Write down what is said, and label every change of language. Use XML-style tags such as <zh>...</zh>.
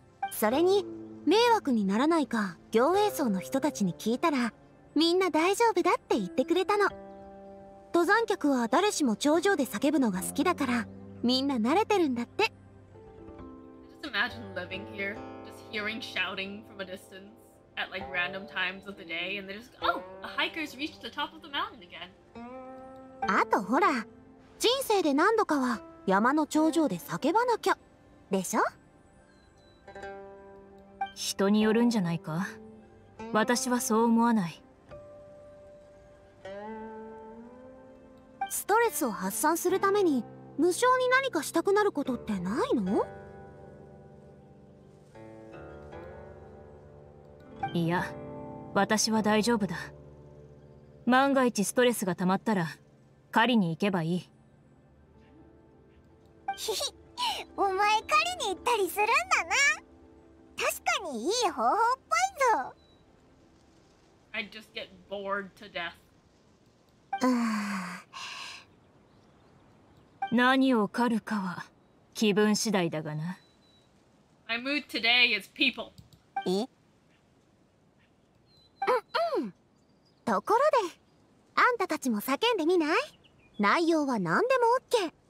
<ja>それに迷惑にならないか行営層の人たちに聞いたら、みんな大丈夫だって言ってくれたの。登山客は誰しも頂上で叫ぶのが好きだから、みんな慣れてるんだって。</ja> <en>Just imagine living here, just hearing shouting from a distance at like random times of the day, and they're just, oh, a hiker's reached the top of the mountain again.</en> <ja>あとほら、人生で何度かは山の頂上で叫ばなきゃでしょ。人によるんじゃないか。私はそう思わない。ストレスを発散するために無性に何かしたくなることってないの？いや、私は大丈夫だ。万が一ストレスがたまったら狩りに行けばいい。ひひ、お前狩りに行ったりするんだな。確かにいい方法っぽいぞ。</ja> <en>I just get bored to death.</en> <ja>何を狩るかは気分次第だがな。</ja> <en>My mood today is people.</en> <ja>え？うんうん。ところで、あんたたちも叫んでみない？内容は何でも OK。</ja>